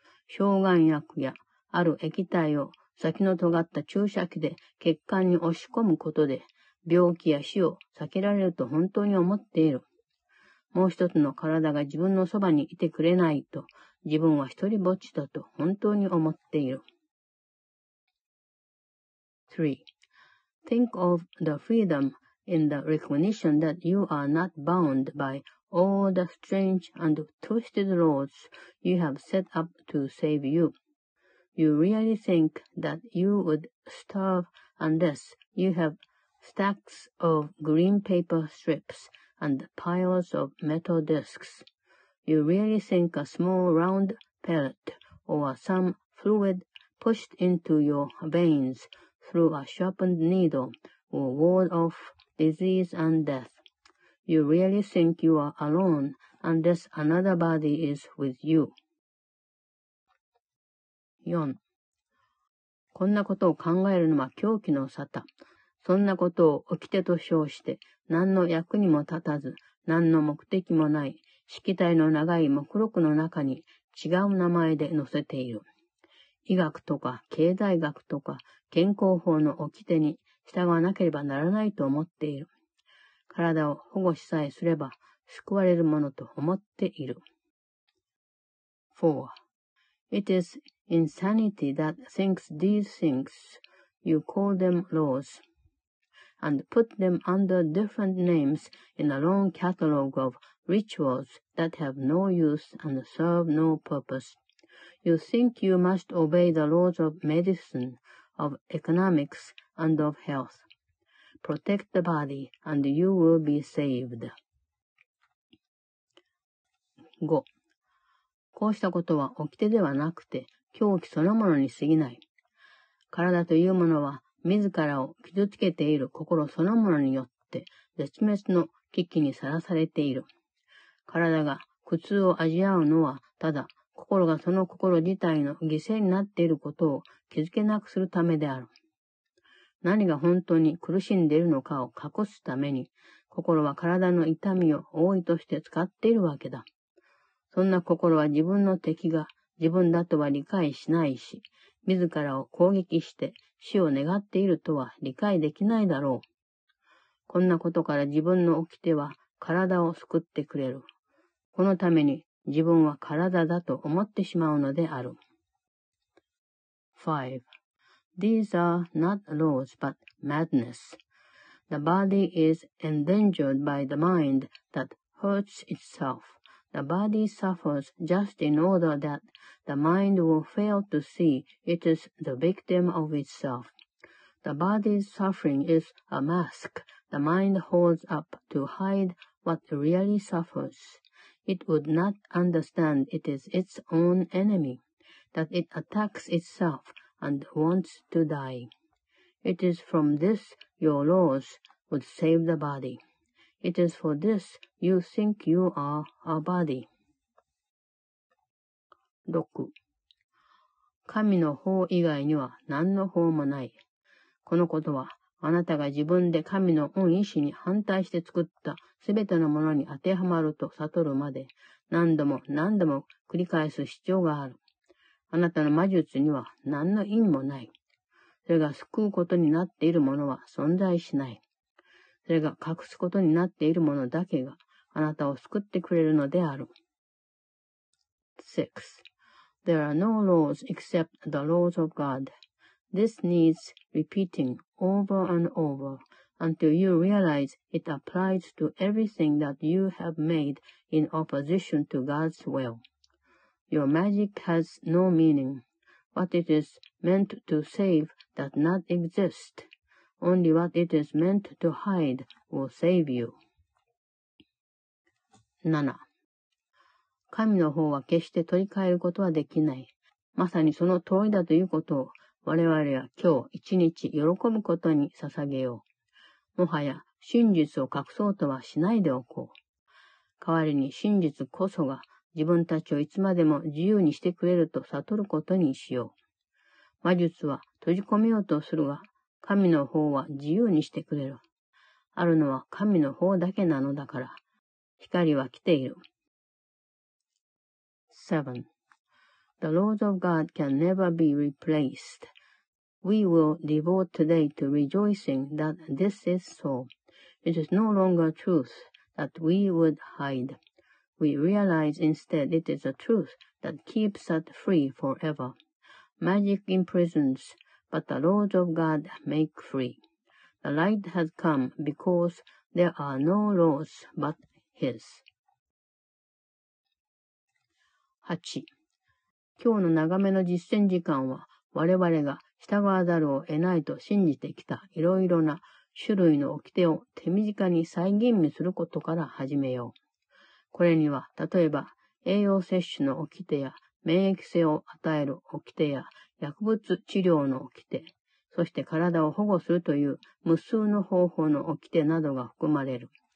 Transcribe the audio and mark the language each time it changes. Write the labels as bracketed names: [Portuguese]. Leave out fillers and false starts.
[Japanese] 障害薬やある液体を先の尖った注射器で血管に押し込むことで、病気や死を避けられると本当に思っている。もう一つの体が自分のそばにいてくれないと、自分は一人ぼっちだと本当に思っている。 [English] 3. Think of the freedom in the recognition that you are not bound by all the strange and twisted laws you have set up to save you. You really think that you would starve unless you have stacks of green paper strips. And piles of metal discs. You really think a small round pellet or some fluid pushed into your veins through a sharpened needle will ward off disease and death. You really think you are alone unless another body is with you. [Japanese] 4. こんなことを考えるのは狂気の沙汰。そんなことを掟と称して、何の役にも立たず、何の目的もない、色体の長い目録の中に違う名前で載せている。医学とか経済学とか健康法の掟に従わなければならないと思っている。体を保護しさえすれば救われるものと思っている。 [English] 4. It is insanity that thinks these things, you call them laws. And put them under different names in a long catalogue of rituals that have no use and serve no purpose. You think you must obey the laws of medicine, of economics and of health. Protect the body and you will be saved. [Japanese] 5. こうしたことは掟ではなくて狂気そのものに過ぎない。体というものは自らを傷つけている心そのものによって絶滅の危機にさらされている。体が苦痛を味わうのはただ心がその心自体の犠牲になっていることを気づけなくするためである。何が本当に苦しんでいるのかを隠すために、心は体の痛みを覆いとして使っているわけだ。そんな心は自分の敵が自分だとは理解しないし、自らを攻撃して死を願っているとは理解できないだろう。こんなことから自分の掟は体を救ってくれる。このために、自分は体だと思ってしまうのである。 [English] 5. These are not laws but madness. The body is endangered by the mind that hurts itself. The body suffers just in order that the mind will fail to see it is the victim of itself. The body's suffering is a mask the mind holds up to hide what really suffers. It would not understand it is its own enemy, that it attacks itself and wants to die. It is from this your laws would save the body. It is for this you think you are a body. [Japanese] 6. 神の法以外には何の法もない。このことはあなたが自分で神の御意志に反対して作ったすべてのものに当てはまると悟るまで何度も何度も繰り返す必要がある。あなたの魔術には何の意味もない。それが救うことになっているものは存在しない。それが隠すことになっているものだけがあなたを救ってくれるのである。 [English] 6. There are no laws except the laws of God. This needs repeating. Over and over, until you realize it applies to everything that you have made in opposition to God's will. Your magic has no meaning. What it is meant to save does not exist. Only what it is meant to hide will save you. [Japanese] 7. 神の方は決して取り替えることはできない。まさにその通りだということを我々は今日一日喜ぶことに捧げよう。もはや真実を隠そうとはしないでおこう。代わりに真実こそが自分たちをいつまでも自由にしてくれると悟ることにしよう。魔術は閉じ込めようとするが、神の法は自由にしてくれる。あるのは神の法だけなのだから。光は来ている。 [English] 7. The laws of God can never be replaced. We will devote today to rejoicing that this is so. It is no longer truth that we would hide. We realize instead it is a truth that keeps us free forever. Magic imprisons, but the laws of God make free. The light has come because there are no laws but His. [Japanese] 8. 今日の長めの実践時間は、我々が従わざるを得ないと信じてきたいろいろな種類の掟を手短に再吟味することから始めよう。これには、例えば、栄養摂取の掟や免疫性を与える掟や薬物治療の掟、そして体を保護するという無数の方法の掟などが含まれる。